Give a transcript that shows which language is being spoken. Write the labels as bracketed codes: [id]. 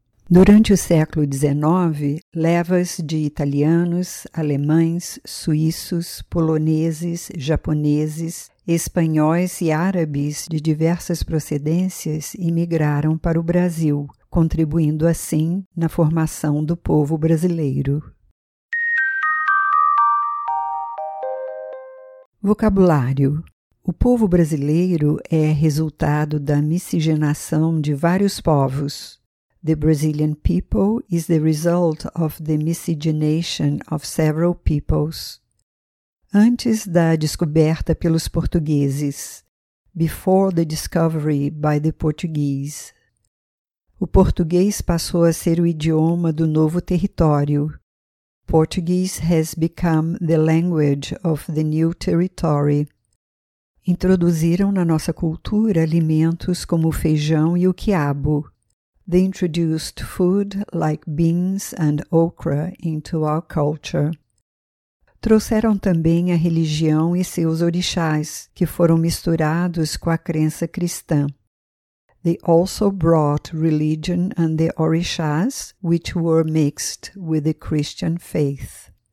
[pt] Durante o século XIX, levas de italianos, alemães, suíços, poloneses, japoneses, espanhóis e árabes de diversas procedências imigraram para o Brasil, contribuindo assim na formação do povo brasileiro. Vocabulário. O povo brasileiro é resultado da miscigenação de vários povos. [en] The Brazilian people is the result of the miscigenation of several peoples. [pt] Antes da descoberta pelos portugueses. [en] Before the discovery by the Portuguese. [pt] O português passou a ser o idioma do novo território. [en] Portuguese has become the language of the new territory. [pt] Introduziram na nossa cultura alimentos como o feijão e o quiabo. [en] They introduced food like beans and okra into our culture. [pt] Trouxeram também a religião e seus orixás, que foram misturados com a crença cristã. [en] They also brought religion and the orixás, which were mixed with the Christian faith.